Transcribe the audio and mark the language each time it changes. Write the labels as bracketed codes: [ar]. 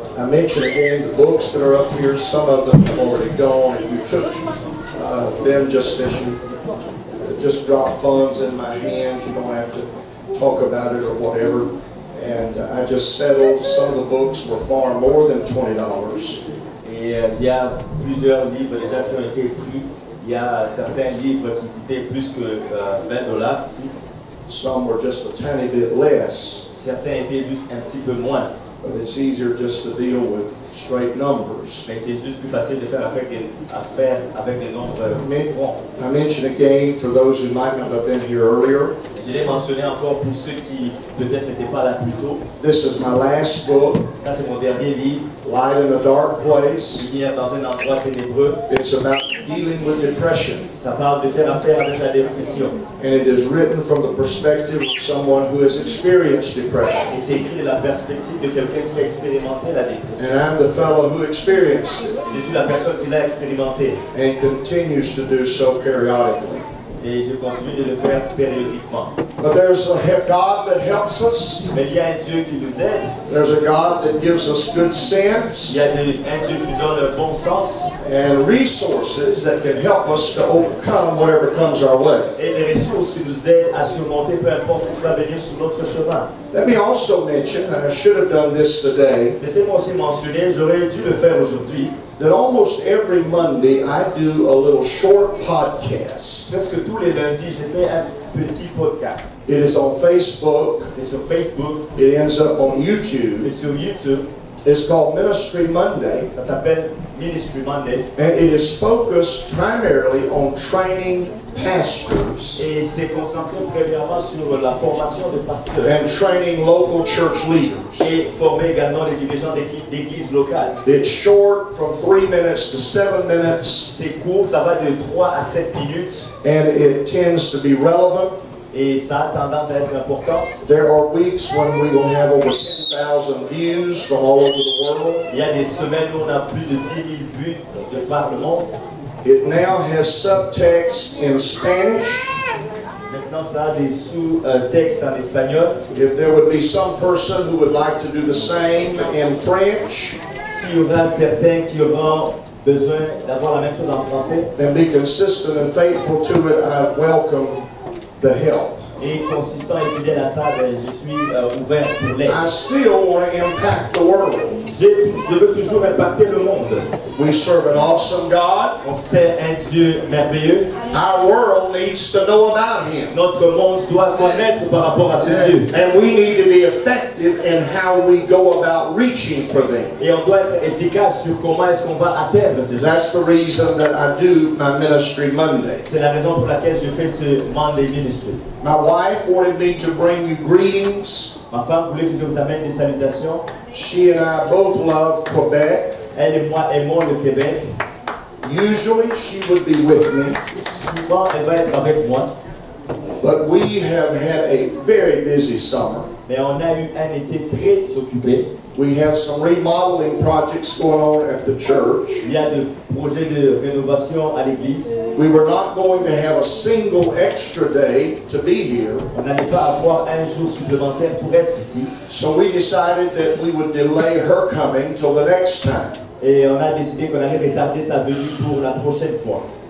[en] I mentioned again the books that are up here. Some of them have already gone. If you took them, just drop funds in my hand. You don't have to talk about it or whatever. And I just settled. Some of the books were far more than $20. [fr] Et il y a plusieurs livres déjà qui ont été pris. Il y a certains livres qui coûtaient plus que $20 ici. [en] Some were just a tiny bit less. [fr] Certains étaient juste un petit peu moins. [en] But it's easier just to deal with straight numbers. [fr] Mais c'est juste plus facile de faire affaire avec des nombres ronds. [en] I mentioned again for those who might not have been here earlier. [fr] Je l'ai mentionné encore pour ceux qui peut-être n'étaient pas là plus tôt. [en] This is my last book. [fr] Ça c'est mon dernier livre. [en] Light in a Dark Place. [fr] Lumière dans un endroit ténébreux. [en] It's about dealing with depression. [fr] Ça parle de faire affaire avec la dépression. [en] And it is written from the perspective of someone who has experienced depression. [fr] Et c'est écrit de la perspective de quelqu'un qui a expérimenté la dépression. [en] And I'm the fellow who experienced it. [fr] Je suis la personne qui l'a expérimenté. [en] And continues to do so periodically. [fr] Et je continue de le faire périodiquement. [en] But there's a God that helps us. [fr] Mais il y a un Dieu qui nous aide. [en] There's a God that gives us good sense. [fr] Il y a un Dieu qui nous donne un bon sens. [en] And resources that can help us to overcome whatever comes our way. [fr] Et des ressources qui nous aident à surmonter peu importe ce qui va venir sur notre chemin. [en] Let me also mention, and I should have done this today. [fr] Laissez-moi aussi mentionner, j'aurais dû le faire aujourd'hui. [en] That almost every Monday I do a little short podcast. [fr] Presque tous les lundis, je fais un petit podcast. [en] It is on Facebook. [fr] C'est sur Facebook. [en] It ends up on YouTube. [fr] C'est sur YouTube. [en] It's called Ministry Monday. [fr] Ça s'appelle Ministry Monday. [en] And it is focused primarily on training pastors. [fr] Et c'est concentré premièrement sur la formation des pasteurs. [en] And training local church leaders. [fr] Et former également les dirigeants d'églises locales. [en] It's short, from 3 minutes to 7 minutes. [fr] C'est court, ça va de 3 à 7 minutes. [en] And it tends to be relevant. [fr] Et ça a tendance à être important. [en] There are weeks when we will have over 10,000 views from all over the world. [fr] Il y a des semaines où on a plus de 10 000 vues de par le monde. [en] It now has subtext in Spanish. [fr] Maintenant, ça a des sous-textes en espagnol. [en] If there would be some person who would like to do the same in French, [fr] s'il y aura certains qui auront besoin d'avoir la même chose en français, [en] then be consistent and faithful to it, I welcome the help. [fr] Et consistant et fidèle à ça, ben, je suis ouvert pour l'aide. [en] I still want to impact the world. [fr] Je veux toujours impacter le monde. [en] We serve an awesome God. [fr] On sert un Dieu merveilleux. [en] Our world needs to know about Him. [fr] Notre monde doit connaître par rapport à ce Dieu. [en] And we need to be effective in how we go about reaching for them. [fr] Et on doit être efficace sur comment est-ce qu'on va atteindre ce Dieu. [en] That's the reason that I do my ministry Monday. [fr] C'est la raison pour laquelle je fais ce Monday ministry. [en] My wife wanted me to bring you greetings. [fr] Ma femme voulait que je vous amène des salutations. [en] She and I both love Quebec. [fr] Elle et moi aimons le Québec. [en] Usually she would be with me. [fr] Souvent elle va être avec moi. [en] But we have had a very busy summer. [fr] Mais on a eu un été très occupé. [en] We have some remodeling projects going on at the church. [fr] Il y a des projets de rénovation à l'église. [en] We were not going to have a single extra day to be here. [fr] On n'allait pas avoir un jour supplémentaire pour être ici. [en] So we decided that we would delay her coming till the next time. [fr] Et on a décidé qu'on allait retarder sa venue pour la prochaine fois.